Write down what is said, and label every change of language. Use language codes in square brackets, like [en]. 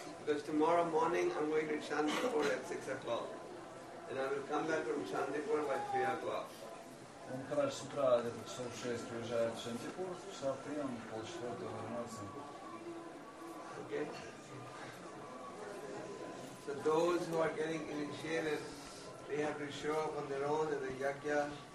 [en] Because tomorrow morning I'm going to Chandipur at 6 o'clock, and I will come back from Chandipur by 3 o'clock. [ru] Он каждое утро где-то в 6 приезжает в Чандипур, в 3 он полчаса вернется. [en] Okay. So those who are getting initiated, they have to show up on their own in the yajna.